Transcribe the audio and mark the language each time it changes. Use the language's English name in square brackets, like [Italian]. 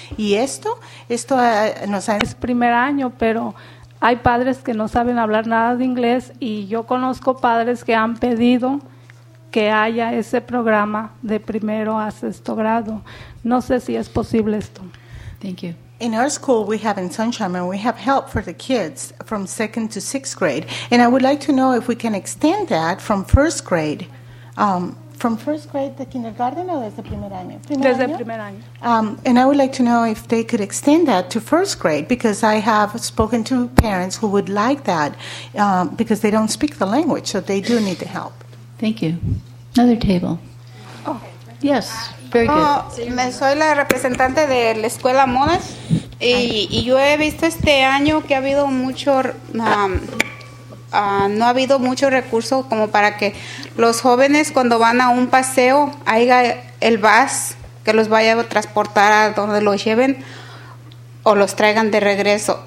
[Spanish] Y esto nos ha... Es primer año, pero... Hay padres que no saben hablar nada de inglés y yo conozco padres que han pedido que haya ese programa de primero a sexto grado. No sé si es posible esto. [English] Thank you. In our school, we have in Sunshine, and we have help for the kids from second to sixth grade. And I would like to know if we can extend that from first grade. From first grade to kindergarten or [Spanish] desde primer año? Desde primer año. [English] And I would like to know if they could extend that to first grade, because I have spoken to parents who would like that because they don't speak the language, so they do need the help. Thank you. Another table. Oh, yes. Very good. [Spanish] Me soy la representante de la escuela Monash, y yo he visto este año que ha habido mucho, no ha habido mucho recurso como para que los jóvenes cuando van a un paseo haya el bus que los vaya a transportar a donde los lleven o los traigan de regreso.